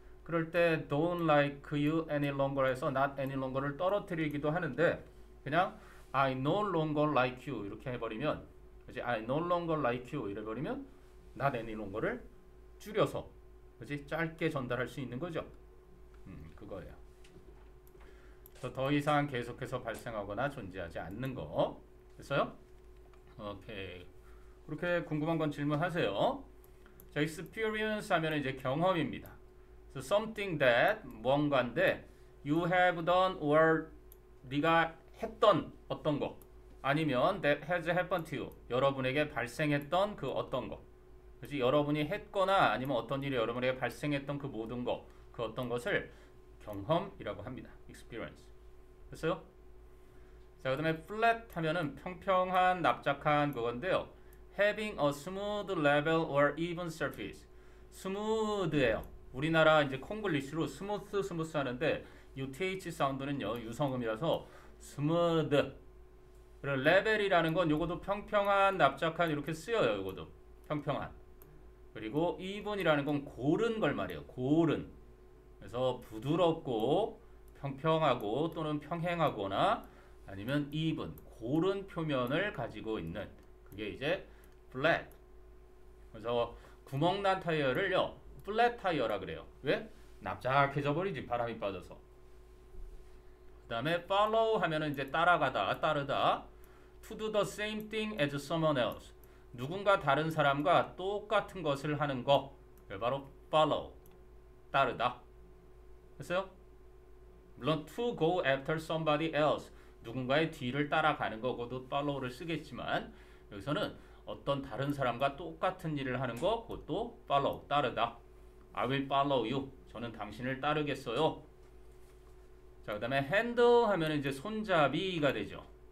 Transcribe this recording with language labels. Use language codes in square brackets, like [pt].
[ko] 그럴 때 [en] don't like you any longer [ko] 해서 [en] not any longer를 [ko] 떨어뜨리기도 하는데 그냥 [en] I no longer like you [ko] 이렇게 해버리면 이제 [en] I no longer like you [ko] 이래버리면 not any longer를 줄여서 그렇지? 짧게 전달할 수 있는 거죠. 그거예요. 그래서 더 이상 계속해서 발생하거나 존재하지 않는 거. 됐어요? 오케이. 그렇게 궁금한 건 질문하세요. 자, experience 하면 이제 경험입니다. [en] So something that [ko] 뭔가인데 [en] you have done or [ko] 네가 했던 어떤 거 아니면 [en] that has happened to you [ko] 여러분에게 발생했던 그 어떤 거 그렇지? 여러분이 했거나 아니면 어떤 일이 여러분에게 발생했던 그 모든 거 그 어떤 것을 경험이라고 합니다. experience. 됐어요? 자, 그 다음에 flat 하면은 평평한, 납작한 그건데요. [en] having a smooth level or even surface. [ko] smooth예요. 우리나라 이제 콩글리시로 스무스 스무스 하는데 UTH 사운드는요 유성음이라서 스무드. 그리고 레벨이라는 건 요것도 평평한, 납작한 이렇게 쓰여요. 요것도 평평한. 그리고 even이라는 건 고른 걸 말이에요. 고른. 그래서 부드럽고 평평하고 또는 평행하거나 아니면 even, 고른 표면을 가지고 있는 그게 이제 flat. 그래서 구멍난 타이어를요 flat 타이어라 그래요. 왜? 납작해져 버리지 바람이 빠져서. 그 다음에 follow 하면은 이제 따라가다, 따르다. [en] to do the same thing as someone else. [ko] 누군가 다른 사람과 똑같은 것을 하는 거. 그게 바로 follow. 따르다. 됐어요? [en] 물론 to go after somebody else. [ko] 누군가의 뒤를 따라가는 거고도 follow를 쓰겠지만 여기서는 어떤 다른 사람과 똑같은 일을 하는 거 그것도 follow, 따르다. [en] I will follow you. [ko] 저는 당신을 따르겠어요. 자, 그 다음에 handle 하면 이제 손잡이가 되죠.